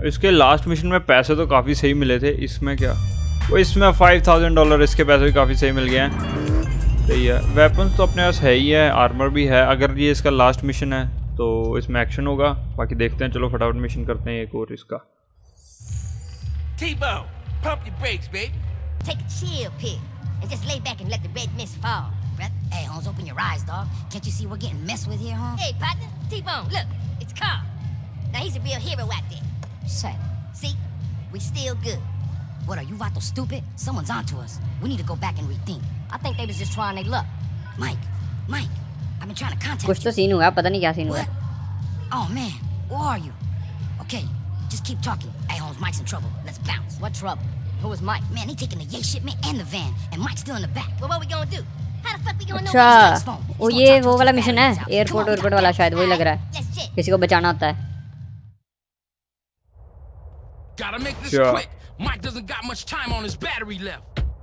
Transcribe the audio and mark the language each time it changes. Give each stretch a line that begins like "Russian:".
Hindi: इसके last mission में पैसे तो काफ़ी सही मिले थे, इसमें क्या, वो इसमें $5,000 इसके पैसे भी काफ़ी सही मिल गए हैं। सही है, वेपन्स तो अपने पास है ही है, आर्मर भी है। अगर ये इसका लास्ट मिशन है तो इसमें एक्शन होगा, बाकी देखते हैं। चलो फटाफट मिशन करते हैं एक और इसका।
English: T-Bone, pump your brakes, baby. Take a chill pill and just lay back and let the red mist fall. Breath. Hey, Holmes, open your eyes, dog. Can't you see we're getting messed with here, Holmes? Hey, partner, T-Bone, look, it's Carl. Now he's a real hero out there. Shut. See, we still good. What are you, Vato, stupid? Someone's onto us. We need to go back and rethink. I think they was just trying their luck. Mike, I've been trying to contact.
Hindi: कुछ तो scene हुआ, पता नहीं क्या scene हुआ.
English: Oh man, who are you? Okay. Just keep talking. Hey Holmes, Mike's in trouble. Let's bounce. What trouble? Who is Mike? Man, he's taking the yay shipment and the van. And Mike's still in the back. Well, what are we gonna do? How the fuck we gonna know where he's going?
Hindi: Oh, ये वो वाला mission है, airport और वाला, शायद वही लग रहा है, किसी को बचाना होता है।
English: Gotta make this quick. Mike doesn't got much time on his battery left.